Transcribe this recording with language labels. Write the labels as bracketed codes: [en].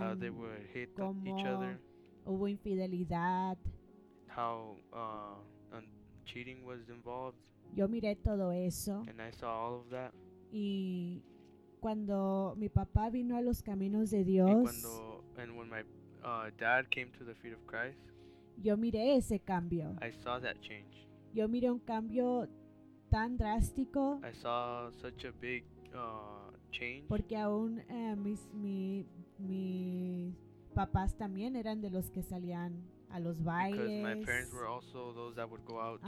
[en] How they would hit each other. [es] Hubo infidelidad. [en] How cheating was involved. [es] Yo miré todo eso [en] and I saw all of that. [es] Y cuando mi papá vino a los caminos de Dios, [en] when my dad came to the feet of Christ, [es] yo miré ese cambio. [en] I saw that change. [es] Yo miré un cambio tan drástico. [en] I saw such a big change. [es] Porque aún mis papás también eran de los que salían a los bailes. [en] Because my parents were also those that would go out